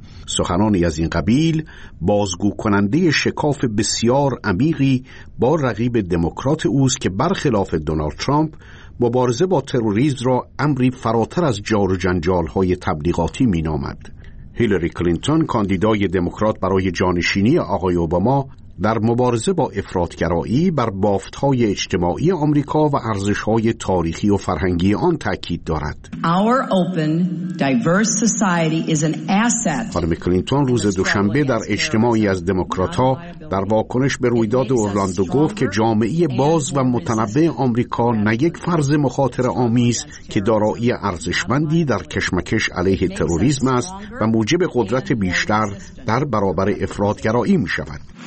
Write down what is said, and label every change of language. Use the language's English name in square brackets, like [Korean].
[Persian] سخنانی از این قبیل بازگو کننده شکاف بسیار عمیقی با رقیب دموکرات اوست که برخلاف دونالد ترامپ مبارزه با تروریسم را امری فراتر از جار و جنجال‌های تبلیغاتی می‌نامد. هیلری کلینتون، کاندیدای دموکرات برای جانشینی آقای اوباما، در مبارزه با افراط‌گرایی بر بافت‌های اجتماعی آمریکا و ارزش‌های تاریخی و فرهنگی آن تأکید دارد. [English] Our open, diverse society is an asset. [Persian] خانم کلینتون روز دوشنبه در اجتماعی از دموکرات‌ها در واکنش به رویداد اورلاندو گفت که جامعه باز و متنوع آمریکا نه یک فرض مخاطره‌آمیز که دارایی ارزشمندی در کشمکش علیه تروریسم است و موجب قدرت بیشتر در برابر افراط‌گرایی می‌شود.